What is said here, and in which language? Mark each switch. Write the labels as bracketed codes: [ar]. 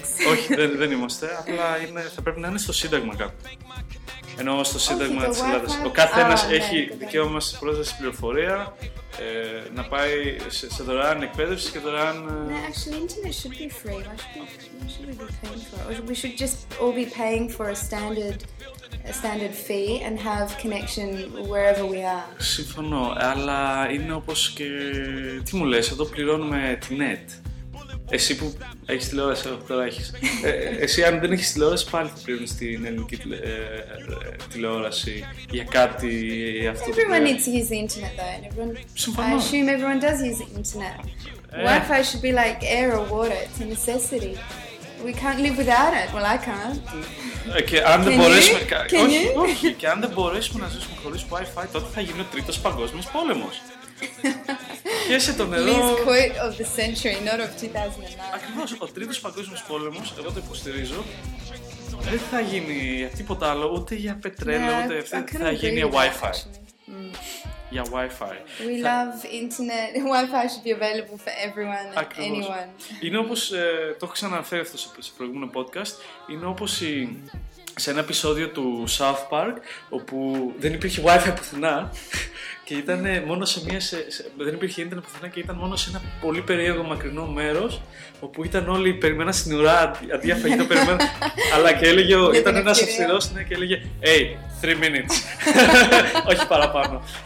[el] Όχι, δεν είμαστε, απλά θα πρέπει να είναι στο Σύνταγμα κάπου. Ενώ στο Σύνταγμα της Ελλάδας, ο καθένας έχει δικαίωμα σε πρόσβαση πληροφορία, να πάει σε δωρεάν εκπαίδευση και δωρεάν... [en] No, actually, internet should be free. We should just all be paying for a standard fee and have connection wherever we are. [el] Συμφωνώ, αλλά είναι όπως και... Τι μου λες, εδώ πληρώνουμε την net. Εσύ που έχεις τηλεόραση, τώρα έχεις. Εσύ αν δεν έχεις τηλεόραση, πάλι θα πληρώνεις την ελληνική τηλεόραση για κάτι αυτό. [en] Everyone needs to use the internet though. And everyone, I assume everyone does use the internet. Wi-Fi should be like air or water. It's a necessity. We can't live without it. Well, I can't. [el] Και αν δεν μπορέσουμε... Όχι, και αν δεν μπορέσουμε να ζήσουμε χωρίς Wi-Fi, τότε θα γίνει ο τρίτος παγκόσμιος πόλεμος. Πιέσε το νερό. [en] Least quote of the century, not of 2009. [el] Ακριβώς, ο τρίτος παγκόσμιος πόλεμος, εγώ το υποστηρίζω, δεν θα γίνει τίποτα άλλο, ούτε για πετρέλαιο, ούτε αυτή, θα γίνει Wi-Fi. Για Wi-Fi. [en] We love internet. Wi-Fi should be available for everyone, anyone. [el] Είναι όπως, το έχω ξαναφέρει αυτό σε προηγούμενο podcast, είναι όπως η... σε ένα επεισόδιο του South Park όπου δεν υπήρχε Wi-Fi πουθενά και ήταν μόνο σε μία δεν υπήρχε ίντερνετ πουθενά και ήταν μόνο σε ένα πολύ περίεργο μακρινό μέρος όπου ήταν όλοι, περιμένα στην ουρά αντίαφαγη το περιμένα αλλά και έλεγε, ήταν ένας αυστηρός ναι, και έλεγε, [en] hey, 3 minutes [el] όχι παραπάνω.